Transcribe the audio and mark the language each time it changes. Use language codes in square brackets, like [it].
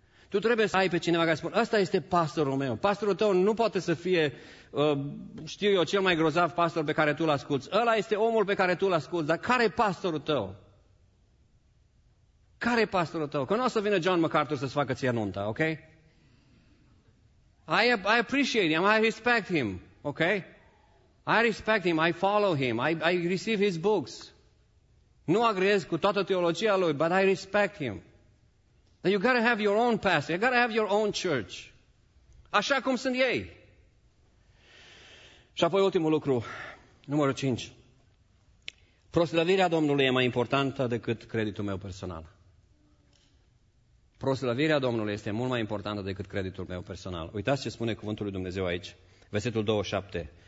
[ro] Tu trebuie să ai pe cineva care spune, ăsta este pastorul meu. Pastorul tău nu poate să fie, știu eu, cel mai grozav pastor pe care tu-l asculți. Ăla este omul pe care tu-l asculți, dar care e pastorul tău? Care e pastorul tău? Că nu o să vină John MacArthur să-ți facă ție nunta, ok? [en] I appreciate him, I respect him, ok? I respect him, I follow him, I receive his books. [ro] Nu agrez cu toată teologia lui, [en] but I respect him. And you gotta have your own pastor, you gotta have your own church. [ro] Așa cum sunt ei. Și apoi ultimul lucru, numărul 5. Proslăvirea Domnului e mai importantă decât creditul meu personal. Proslăvirea Domnului este mult mai importantă decât creditul meu personal. Uitați ce spune cuvântul lui Dumnezeu aici, versetul 27.